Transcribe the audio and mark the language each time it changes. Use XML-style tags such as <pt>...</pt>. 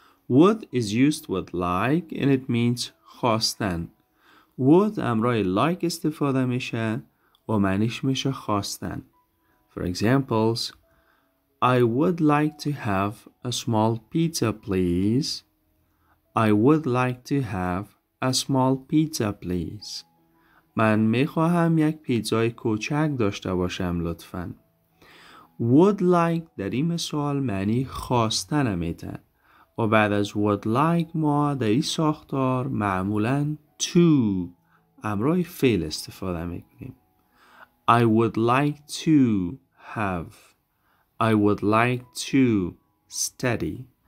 <en>Would is used with like and it means خواستن.</en> <fa>Would امرای like استفاده میشه و معنیش میشه خواستن.</fa> <en>For examples, I would like to have a small pizza, please. I would like to have a small pizza, please.</en> <fa>من میخواهم یک پیتزای کوچک داشته باشم لطفاً. Would like در این مثال معنی خواستن میده. و بعد از would like ما در این ساختار معمولاً to امرای فعل استفاده میکنیم.</fa> <en>I would like to have. I would like to study.</en>